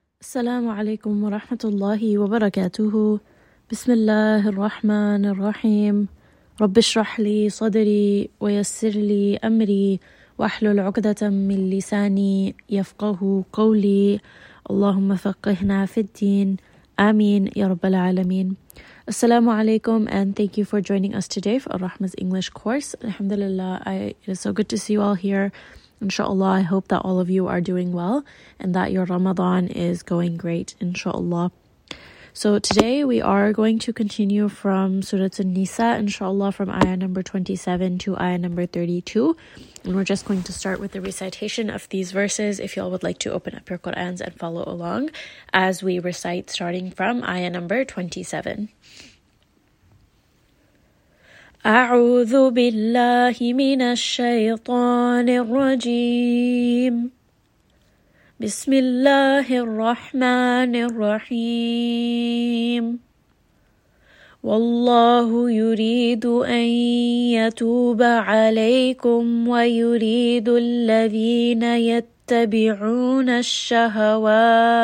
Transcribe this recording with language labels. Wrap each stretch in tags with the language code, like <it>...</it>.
<ar>السلام عليكم ورحمة الله وبركاته. بسم الله الرحمن الرحيم. رب اشرح لي صدري ويسر لي أمري واحلل عقدة من لساني يفقه قولي. اللهم فقهنا في الدين. آمين يا رب العالمين. السلام عليكم</ar> <en>and thank you for joining us today for الرحمة's English course.</en> <ar>الحمد لله,</ar> <en>it is so good to see you all here. Inshallah, I hope that all of you are doing well and that your Ramadan is going great, inshallah. So today we are going to continue from Surah An-Nisa, inshallah, from ayah number 27 to ayah number 32. And we're just going to start with the recitation of these verses if y'all would like to open up your Qur'ans and follow along as we recite starting from ayah number 27.</en> <ar>أعوذ بالله من الشيطان الرجيم بسم الله الرحمن الرحيم والله يريد أن يتوب عليكم ويريد الذين يتبعون الشهوات</ar>